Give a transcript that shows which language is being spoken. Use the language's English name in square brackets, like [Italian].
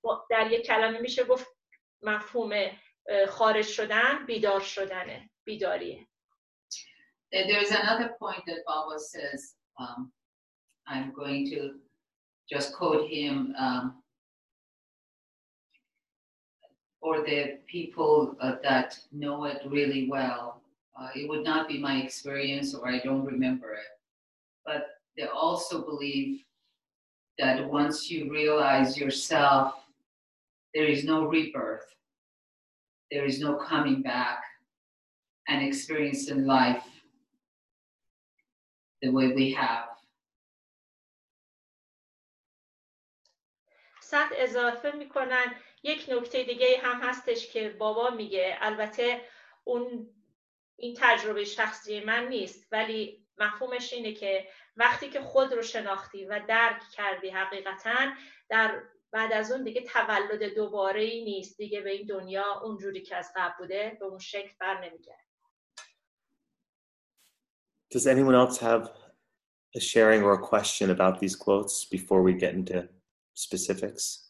[Persian] در یک کلمه میشه گفت مفهوم خارج شدن بیدار شدنه، بیداریه. [English] There's another point that Baba says. I'm going to just quote him for the people that know it really well. It would not be my experience or I don't remember it. But they also believe that once you realize yourself, there is no rebirth. There is no coming back and experience in life the way we have. [Persian] صد اضافه میکنن. یک نکته دیگه هم هستش که بابا میگه، البته اون این تجربه شخصی من نیست ولی مفهومش اینه که وقتی که خود رو شناختی و درک کردی حقیقتاً، در بعد از اون دیگه تولد دوباره ای نیست، دیگه به این دنیا اونجوری که از قبل بوده به اون شکل بر نمیگرده. [English] Does anyone else have a sharing or a question about these quotes before we get into specifics?